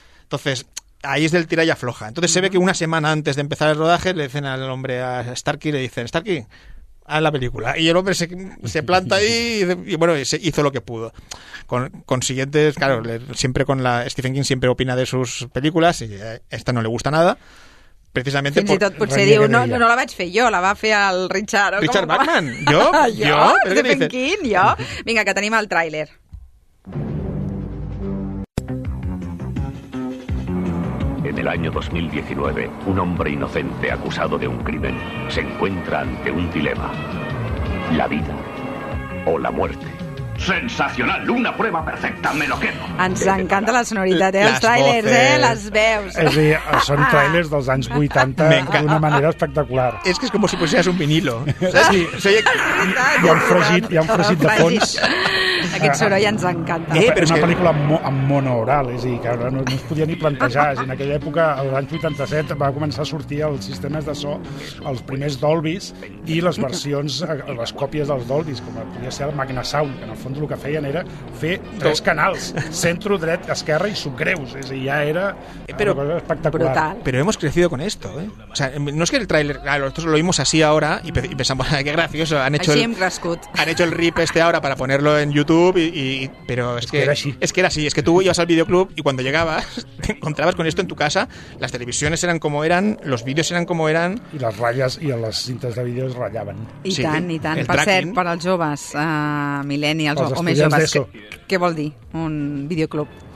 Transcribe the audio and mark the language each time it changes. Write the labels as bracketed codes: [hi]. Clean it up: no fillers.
[es] Entonces, ahí es del tira y afloja. Entonces uh-huh. Se ve que una semana antes de empezar el rodaje le dicen al hombre, a Starkey, le dicen, Starkey, haz la película. Y el hombre se planta ahí y bueno, se hizo lo que pudo. Con siguientes, claro, siempre con la Stephen King siempre opina de sus películas y esta no le gusta nada. Precisamente [ca] fins i tot potser diu, no la vaig fer jo, la va fer el Richard. Richard Bachman, jo? Jo? Stephen King, jo? Vinga, que tenim el tràiler. [es] En el año 2019, un hombre inocente acusado de un crimen se encuentra ante un dilema. La vida o la muerte. Sensacional, una prueba perfecta, me lo quedo. [ca] Ens encanta la sonoritat, els trailers, les veus. És a dir, són trailers dels anys 80 d'una manera espectacular. És que és com si posessis un vinilo. I han fregit de fons. Aquest soroll ja ens encanta. Però és una pel·lícula amb mono oral, és a dir, que no es podia ni plantejar. En aquella època, als anys 87, va començar a sortir els sistemes de so, els primers Dolbys i les versions, les còpies dels Dolbys, com podia ser el Magnasound, que en el fons el que feien era fer tres canals, centro, dret, esquerra i subgreus. És a dir, ja era una cosa espectacular. Brutal. Però [es] hemos crecido con esto. O sea, no es que el tráiler, claro, nosotros lo vimos así ahora y pensamos, qué gracioso, han hecho el rip este ahora para ponerlo en YouTube. Pero es que era así, es que tú ibas al videoclub y cuando llegabas te encontrabas con esto en tu casa, las televisiones eran como eran, los vídeos eran como eran. Y las rayas y las cintas de vídeos rayaban. [ca] I tant. El per tracking. Cert, per als joves, millennials o més joves, què vol dir un videoclub?